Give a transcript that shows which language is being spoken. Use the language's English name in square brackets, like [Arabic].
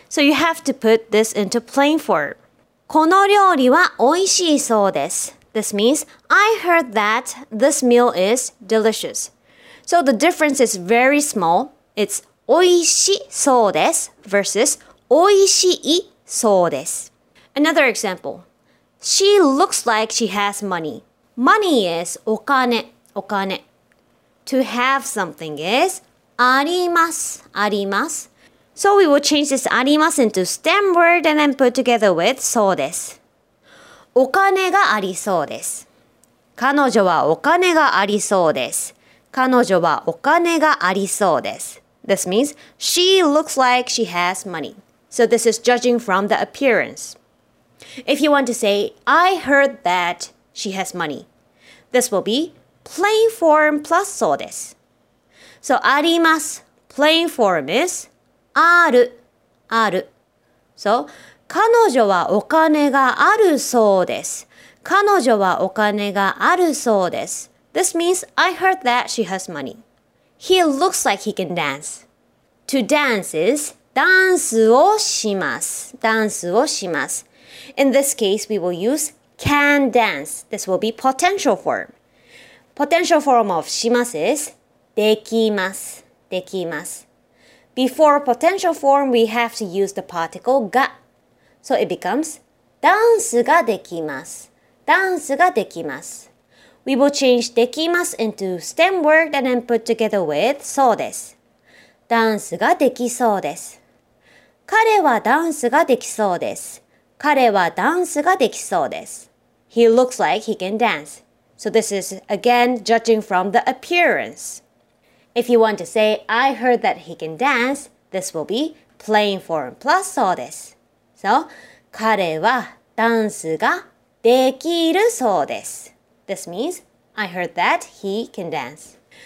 [English] So you have to put this into plain form. [Japanese] この料理はおいしそうです。 [English] This means I heard that this meal is delicious. So the difference is very small. It's [Japanese] おいしそうです [English] versus [Japanese] おいしいそうです。 [English] Another example. She looks like she has money. Money is [Japanese] お金、お金。 [English] To have something is [Japanese] あります、あります。 [English] So we will change this [Japanese] あります [English] into stem word and then put together with [Japanese] そうです。お金がありそうです。彼女はお金がありそうです。彼女はお金がありそうです。 [English] This means, she looks like she has money. So this is judging from the appearance. If you want to say, I heard that she has money, this will be plain form plus [Japanese] そうです. [English] So [Japanese] あります, [English] plain form is [Japanese] ある, ある. [English] So [Japanese] 彼女はお金があるそうです. 彼女はお金があるそうです. [English] This means, I heard that she has money. He looks like he can dance. To dance is [Japanese] ダンスをします。ダンスをします。 [English] In this case, we will use can dance. This will be potential form. Potential form of [Japanese] します [English] is [Japanese] できます。できます。 [English] Before potential form, we have to use the particle [Japanese] が. [English] So it becomes [Japanese] ダンスができます。ダンスができます。 [English] We will change [Japanese] できます [English] into stem word and then put together with [Japanese] そうです。ダンスができそうです。彼はダンスができそうです。彼はダンスができそうです。 [English] He looks like he can dance. So this is again judging from the appearance. If you want to say, I heard that he can dance, this will be plain form plus [Japanese] そうです。 [English] So, [Japanese] 彼はダンスができるそうです。 [English] This means, I heard that he can dance.